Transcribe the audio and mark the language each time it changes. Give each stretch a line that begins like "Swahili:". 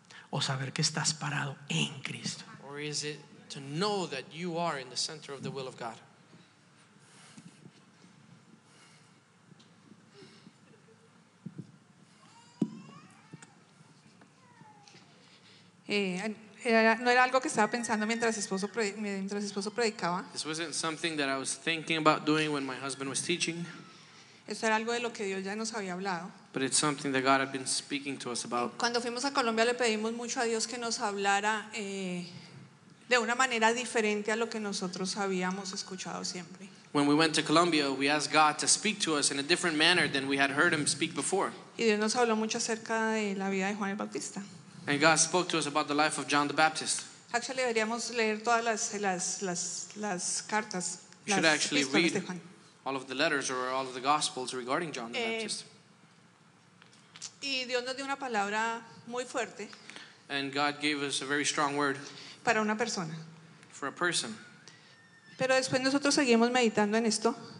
Spanish: O saber que estás parado en Cristo.
English: Or is it to know that you are in the center of the will of God?
Spanish: No era algo que estaba pensando mientras esposo predicaba.
English: This wasn't something that I was thinking about doing when my husband was teaching.
Spanish: Esto era algo de lo que Dios ya nos había hablado.
English: But it's something that God had been speaking to us about.
Spanish: Cuando fuimos a Colombia le pedimos mucho a Dios que nos hablara de una manera diferente a lo que nosotros habíamos escuchado siempre.
English: When we went to Colombia, we asked God to speak to us in a different manner than we had heard him speak before.
Spanish: Y Dios nos habló mucho acerca de la vida de Juan el Bautista.
English: And God spoke to us about the life of John the Baptist.
Spanish: Actually, deberíamos leer todas las cartas.
English: We should actually read all of the letters or all of the gospels regarding John the Baptist.
Spanish: Y Dios nos dio una palabra muy fuerte.
English: And God gave us a very strong word.
Spanish: Para una persona.
English: For a person.
Spanish: Pero después nosotros seguimos meditando en esto.